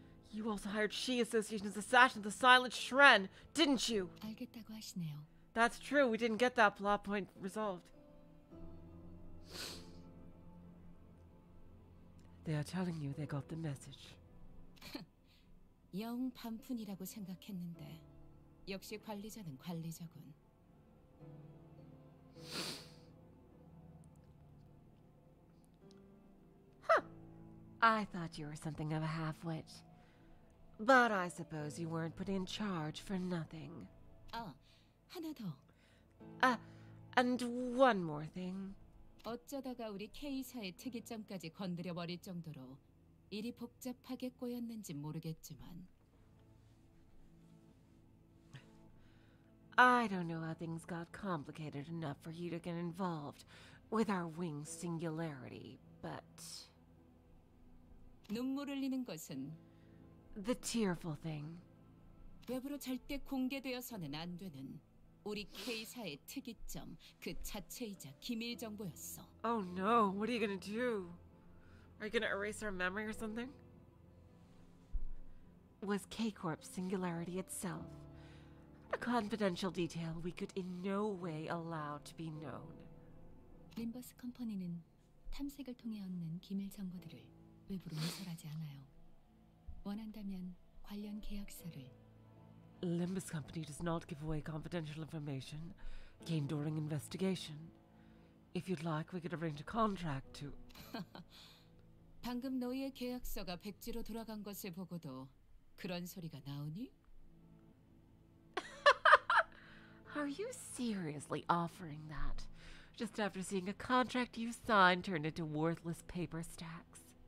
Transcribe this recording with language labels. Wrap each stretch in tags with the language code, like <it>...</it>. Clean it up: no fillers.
<en>You also hired She Association's assassin, the Silent Shren, didn't you?</en> <ko>알겠다고 하시네요.</ko> <en>That's true, we didn't get that plot point resolved. They are telling you they got the message.</en> <ko>영 반푼이라고 생각했는데 역시 관리자는 관리자군.</ko> <en>Huh. I thought you were something of a half-wit. But I suppose you weren't put in charge for nothing.</en> <ko>아, 하나 더.</ko> <en>And one more thing.</en> <ko>어쩌다가 우리 K사의 특이점까지 건드려버릴 정도로 일이 복잡하게 꼬였는지 모르겠지만</ko> <en>I don't know how things got complicated enough for you to get involved with our wing singularity, but</en> <ko>눈물 흘리는 것은</ko> <en>The tearful thing</en> <ko>외부로 절대 공개되어서는 안 되는 우리 K사의 특이점, 그 자체이자 기밀 정보였어.</ko> <en>Oh no, what are you gonna do? Are you gonna erase our memory or something? Was K-Corp's singularity itself a confidential detail we could in no way allow to be known?</en> <ko>Limbus Company는 탐색을 통해 얻는 기밀 정보들을 외부로 유출하지 않아요. 원한다면 관련 계약서를</ko> <en>Limbus Company does not give away confidential information, gained during investigation. If you'd like, we could arrange a contract to...</en> <ko>방금 너희의 계약서가 백지로 돌아간 것을 보고도 그런 소리가 나오니?</ko> <en>Are you seriously offering that? Just after seeing a contract you signed turn into worthless paper stacks.</en>